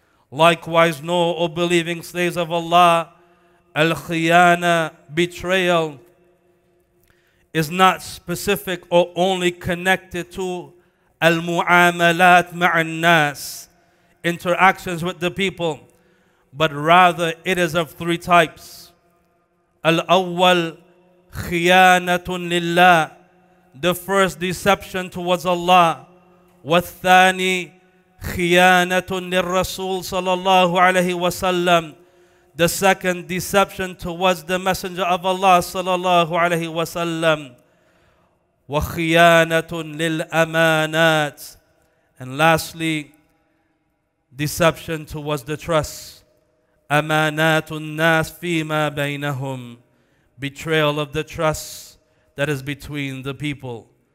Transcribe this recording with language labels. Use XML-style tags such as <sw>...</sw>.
<en>Likewise, know, O believing slaves of Allah, الْخِيَانَةِ, betrayal, is not specific or only connected to</en> <ar>المعاملات مع الناس,</ar> <en>interactions with the people, but rather it is of three types.</en> <ar>الأول خيانة لله,</ar> <en>the first deception towards Allah.</en> <ar>والثاني خيانة للرسول صلى الله عليه وسلم,</ar> <en>the second deception towards the Messenger of Allah صلى الله عليه وسلم.</en> <ar>وخيانة للأمانات,</ar> <en>and lastly deception towards the trust.</en> <ar>أمانات الناس فيما بينهم,</ar> <en>betrayal of the trust that is between the people.</en>